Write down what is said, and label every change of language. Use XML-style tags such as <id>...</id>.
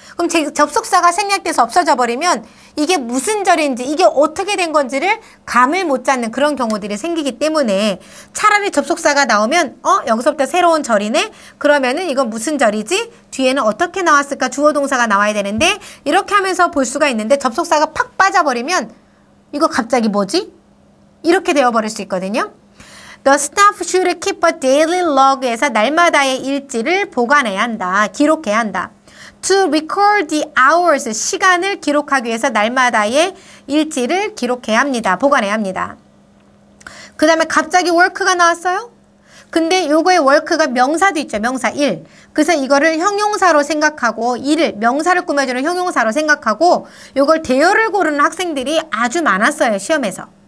<ko>그럼 접속사가 생략돼서 없어져 버리면 이게 무슨 절인지 이게 어떻게 된 건지를 감을 못 잡는 그런 경우들이 생기기 때문에 차라리 접속사가 나오면 여기서부터 새로운 절이네? 그러면은 이건 무슨 절이지? 뒤에는 어떻게 나왔을까? 주어 동사가 나와야 되는데 이렇게 하면서 볼 수가 있는데 접속사가 팍 빠져버리면 이거 갑자기 뭐지? 이렇게 되어버릴 수 있거든요.</ko> <en>The staff should keep a daily log에서</en> <ko>날마다의 일지를 보관해야 한다. 기록해야 한다.</ko> <en>To record the hours,</en> <ko>시간을 기록하기 위해서 날마다의 일지를 기록해야 합니다. 보관해야 합니다. 그 다음에 갑자기 work가 나왔어요? 근데 요거에 워크가 명사도 있죠. 명사 일. 그래서 이거를 형용사로 생각하고 일을 명사를 꾸며주는 형용사로 생각하고 요걸 대여를 고르는 학생들이 아주 많았어요. 시험에서.</ko>